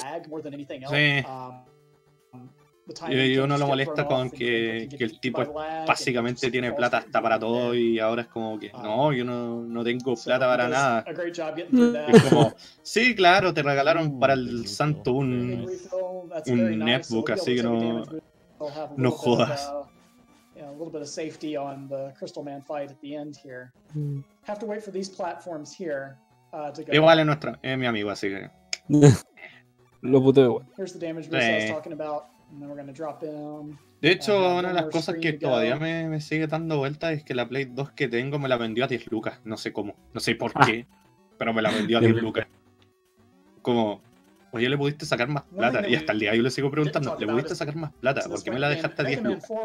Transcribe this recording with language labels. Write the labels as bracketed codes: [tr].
[es] Sí. Y uno lo molesta con que el tipo básicamente tiene plata hasta para todo y ahora es como que no, yo no tengo plata para nada. Es como, sí, claro, te regalaron para el santo un netbook, así que no jodas. [en] A little bit of safety on the Crystal Man fight at the end here. Mm. Have to wait for these platforms here to go. [es] Igual es nuestro, es mi amigo, así que. Lo puto igual. [en] Here's the damage boost I was talking about, and then we're gonna drop him. [es] De hecho, una de las cosas que todavía me sigue dando vuelta es que la Play 2 que tengo me la vendió a 10 lucas. No sé cómo, no sé por qué, pero me la vendió a 10 lucas. Como, oye, le pudiste sacar más plata. Y hasta el día yo le sigo preguntando, ¿le pudiste sacar más plata? ¿Por qué me la dejaste a 10 mil?